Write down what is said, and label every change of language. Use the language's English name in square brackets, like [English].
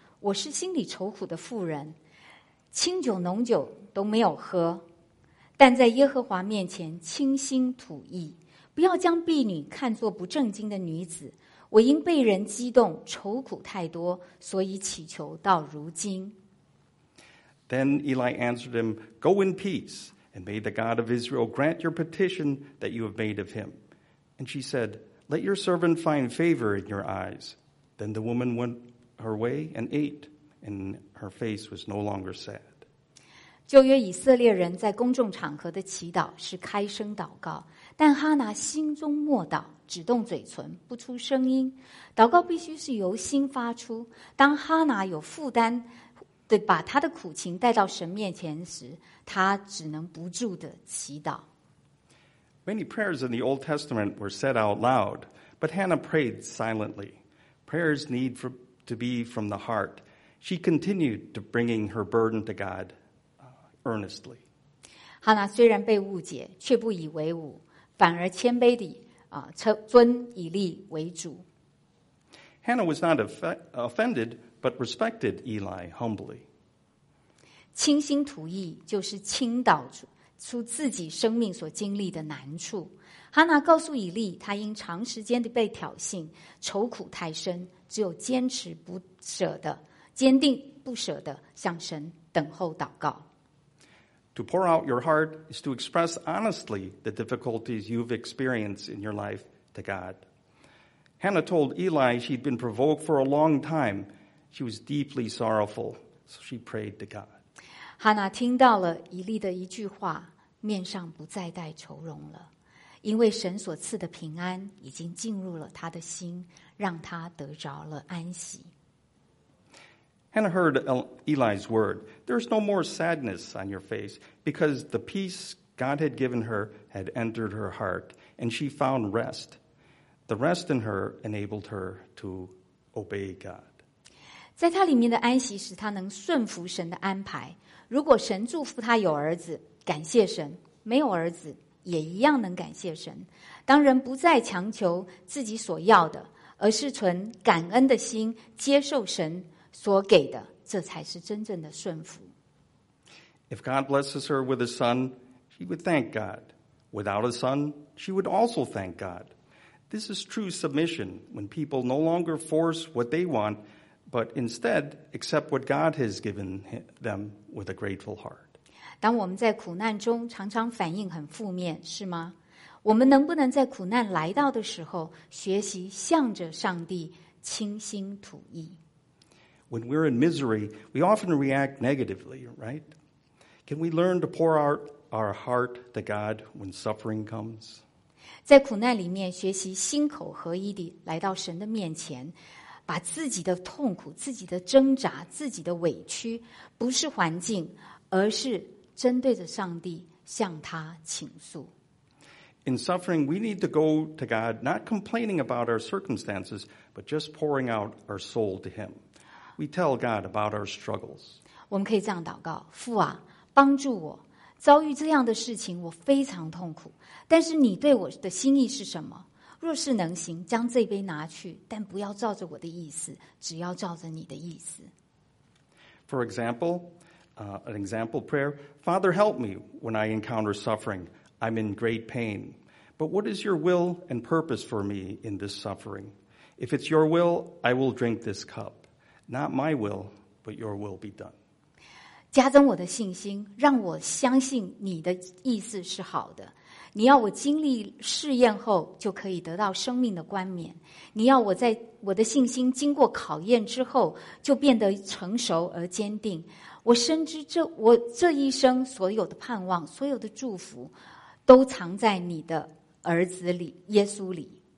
[Chinese] 我是心里愁苦的妇人，清酒浓酒都没有喝，但在耶和华面前倾心吐意，不要将婢女看作不正经的女子。我因被人激动，愁苦太多，所以祈求到如今。 [English] Then Eli answered him, Go in peace, and may the God of Israel grant your petition that you have made of him. And she said, Let your servant find favor in your eyes. Then the woman went. Her way and ate, and her face was no longer sad. [Chinese] 旧约以色列人在公众场合的祈祷是开声祷告，但哈拿心中默祷，只动嘴唇，不出声音。祷告必须是由心发出。当哈拿有负担的把他的苦情带到神面前时，他只能不住的祈祷。 [English] Many prayers in the Old Testament were said out loud, but Hannah prayed silently. Prayers need for. To be from the heart, she continued to bringing her burden to God earnestly. [Chinese] Hannah 虽然被误解，却不以为忤，反而谦卑地尊以利为主。 [English] Hannah was not offended, but respected Eli humbly. [Chinese] 倾心吐意就是倾倒出自己生命所经历的难处。 Hannah 告诉以利，他因长时间地被挑衅，愁苦太深。只有坚持不舍的坚定不舍的向神等候祷告。 [English] To pour out your heart is to express honestly the difficulties you've experienced in your life to God. Hannah told Eli she'd been provoked for a long time. She was deeply sorrowful, so she prayed to God. [Chinese] Hannah 听到了以利的一句话，面上不再带愁容了，因为神所赐的平安已经进入了他的心，让他得着了安息。 [English] Hannah heard Eli's word. There's no more sadness on your face because the peace God had given her had entered her heart and she found rest. The rest in her enabled her to obey God. [Chinese] 在她里面的安息使她能顺服神的安排。如果神祝福她有儿子，感谢神，没有儿子也一样能感谢神。当人不再强求自己所要的，而是存感恩的心接受神所给的，这才是真正的顺服。 [English] If God blesses her with a son, she would thank God. Without a son, she would also thank God. This is true submission when people no longer force what they want, but instead accept what God has given them with a grateful heart. [Chinese] 当我们在苦难中常常反应很负面，是吗？我们能不能在苦难来到的时候，学习向着上帝倾心吐意？ [English] When we're in misery, we often react negatively, right? Can we learn to pour out our heart to God when suffering comes? [Chinese] 在苦难里面学习心口合一地来到神的面前，把自己的痛苦、自己的挣扎、自己的委屈，不是环境，而是针对着上帝向他倾诉。 [English] In suffering, we need to go to God, not complaining about our circumstances, but just pouring out our soul to Him. We tell God about our struggles. [Chinese] 我们可以这样祷告：父啊，帮助我，遭遇这样的事情，我非常痛苦。但是你对我的心意是什么？若是能行，将这杯拿去，但不要照着我的意思，只要照着你的意思。 [English] For example, an example prayer: Father, help me when I encounter suffering. I'm in great pain. But what is your will and purpose for me in this suffering? If it's your will, I will drink this cup. Not my will, but your will be done. [Chinese] 加增我的信心，让我相信你的意思是好的。你要我经历试验后就可以得到生命的冠冕。你要我在我的信心经过考验之后就变得成熟而坚定。我深知我这一生所有的盼望，所有的祝福都藏在你的儿子里，耶稣里。